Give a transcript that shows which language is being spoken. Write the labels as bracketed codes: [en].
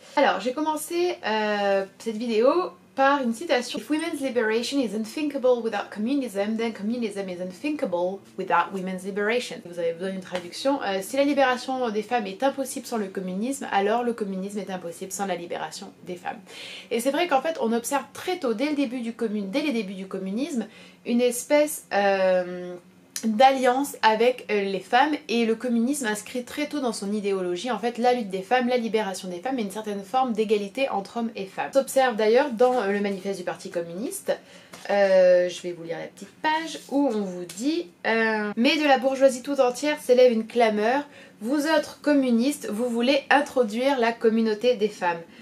[fr] Alors, j'ai commencé cette vidéo par une citation. [en] If women's liberation is unthinkable without communism, then communism is unthinkable without women's liberation. [fr] Vous avez besoin d'une traduction. Si la libération des femmes est impossible sans le communisme, alors le communisme est impossible sans la libération des femmes. Et c'est vrai qu'en fait, on observe très tôt, dès les débuts du communisme, une espèce d'alliance avec les femmes, et le communisme inscrit très tôt dans son idéologie en fait la lutte des femmes, la libération des femmes et une certaine forme d'égalité entre hommes et femmes. On s'observe d'ailleurs dans le manifeste du Parti communiste, je vais vous lire la petite page où on vous dit « Mais de la bourgeoisie tout entière s'élève une clameur, vous autres communistes, vous voulez introduire la communauté des femmes.